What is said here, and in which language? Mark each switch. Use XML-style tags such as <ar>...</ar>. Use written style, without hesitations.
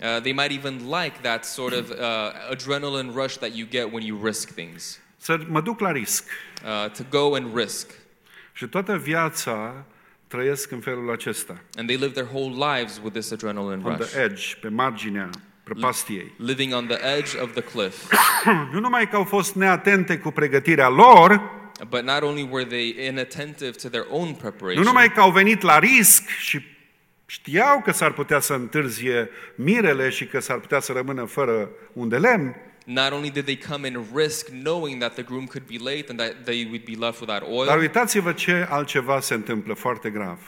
<en>They might even like that sort of adrenaline rush that you get when you risk things.</en> <ro>Să mă duc la risc.</ro> <en>To go and risk.</en> <ro>Și toată viața trăiesc în felul acesta.</ro> <en>And they live their whole lives with this adrenaline rush. On the edge,</en> <ro>pe marginea prăpastiei.</ro> <en>Living on the edge of the cliff.</en> <ro>Nu numai că au fost neatente cu pregătirea lor,</ro> <en>but not only were they inattentive to their own preparation.</en> <ro>Nu numai că au venit la risc și știau că s-ar putea să întârzie mirele și că s-ar putea să rămână fără un de lemn.</ro> <en>Not only did they come in risk knowing that the groom could be late and that they would be left without oil.</en> <ro>Dar uitați-vă ce altceva se întâmplă foarte grav.</ro>